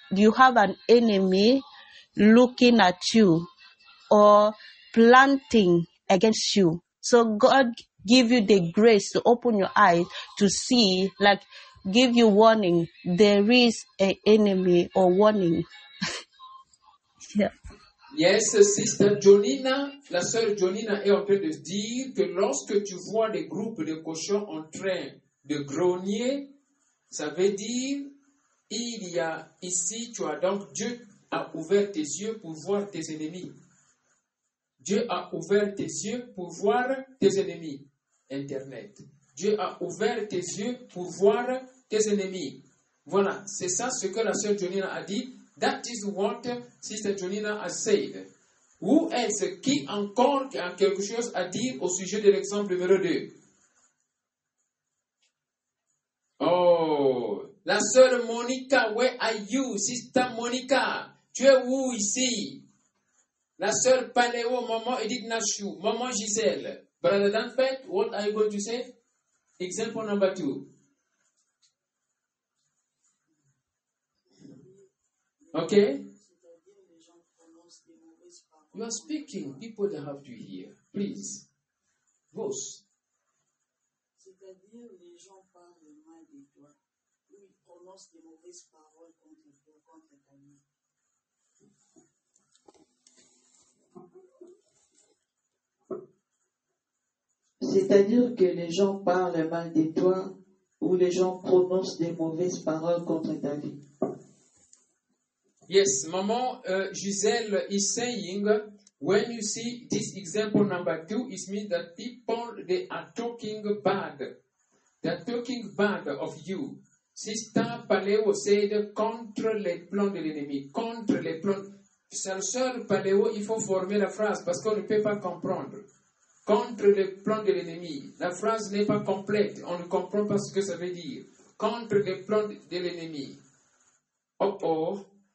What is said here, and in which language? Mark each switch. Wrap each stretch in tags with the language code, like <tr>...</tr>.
<en>You have an enemy looking at you or planting against you. So God give you the grace to open your eyes to see, like give you warning, there is an enemy or warning. Yes, sister Jolina,</en> <fr>la sœur Jolina est en train de dire que lorsque tu vois des groupes de cochons en train de grogner, ça veut dire il y a ici, tu as donc, Dieu a ouvert tes yeux pour voir tes ennemis. Dieu a ouvert tes yeux pour voir tes ennemis. Internet. Dieu a ouvert tes yeux pour voir tes ennemis. Voilà, c'est ça ce que la sœur Jolina a dit.</fr> <en>That is what Sister Jolina has said. Who else?</en> <fr>Qui encore a quelque chose à dire au sujet de l'exemple numéro 2? Oh, la sœur Monica,</fr> <en>where are you? Sister Monica,</en> <fr>tu es où ici? La sœur Paléo, maman Edith Nashu, maman Gisèle.</fr> <en>Brother Danfait, what are you going to say? Example number 2. Ok. You are speaking. People they have to hear. Please. Vos.</en> <fr>C'est-à-dire, les gens parlent mal de toi. Ou ils prononcent des mauvaises paroles contre toi, contre ta vie. C'est-à-dire que les gens parlent mal de toi ou les gens prononcent des mauvaises paroles contre ta vie.</fr> <en>Yes, maman, Giselle is saying, when you see this example number 2, it means that people, they are talking bad. They are talking bad of you. Sister Paléo said,</en> <fr>contre les plans de l'ennemi, contre les plans. Sœur Paléo, il faut former la phrase parce qu'on ne peut pas comprendre. Contre les plans de l'ennemi. La phrase n'est pas complète. On ne comprend pas ce que ça veut dire. Contre les plans de l'ennemi. Oh, oh.</fr>